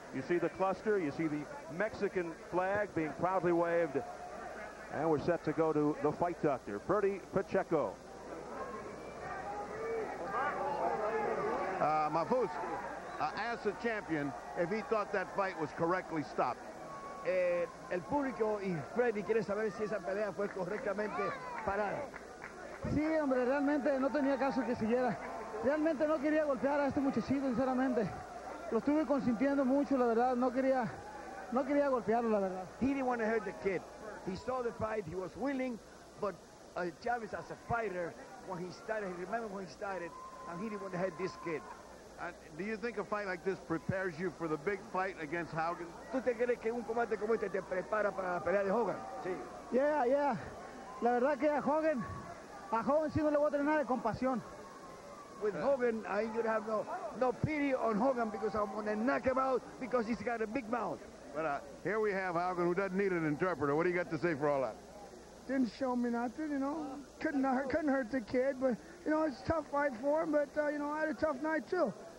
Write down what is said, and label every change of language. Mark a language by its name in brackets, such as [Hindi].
[English] You see the cluster, you see the Mexican flag being proudly waved. And we're set to go to the fight doctor, Ferdy Pacheco. Mahfouz asked the champion if he thought that fight was correctly stopped. [Spanish] El público y Freddy quiere saber si esa pelea fue correctamente parada. Sí, hombre, realmente no tenía caso que siguiera. Realmente no quería golpear a este muchachito, sinceramente. Lo estuve consintiendo mucho, la verdad. No quería golpearlo, la verdad. [English] He didn't want to hurt the kid. He saw the fight, he was willing, but Chavez as a fighter, when he started, he remembered when he started, and he didn't want to hurt this kid. Do you think a fight like this prepares you for the big fight against Hogan? [Spanish] ¿Tú te crees que un combate como este te prepara para la pelea de Hogan? Sí. [English] Yeah, yeah. [Spanish] La verdad que a Hogan sí no le voy a tener nada de compasión. [English] With Hogan, I would have no pity on Hogan because I'm gonna knock him out because he's got a big mouth. But here we have Hogan, who doesn't need an interpreter. What do you got to say for all that? Didn't show me nothing, you know. Couldn't hurt the kid, but. You know, it's a tough fight for him, but, you know, I had a tough night, too.